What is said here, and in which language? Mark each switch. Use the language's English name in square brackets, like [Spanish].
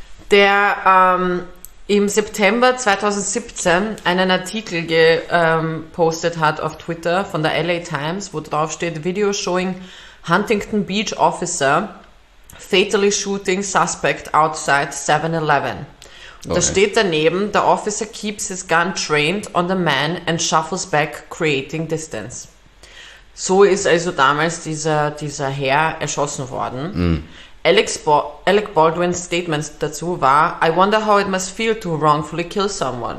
[German] Der im September 2017 einen Artikel gepostet hat auf Twitter von der LA Times, wo drauf steht: [English] Video showing Huntington Beach officer fatally shooting suspect outside 7-Eleven. [German] Und okay, da steht daneben: [English] The officer keeps his gun trained on the man and shuffles back, creating distance. [German] So ist also damals dieser Herr erschossen worden. Alec Baldwin's Statement dazu war: [English] I wonder how it must feel to wrongfully kill someone.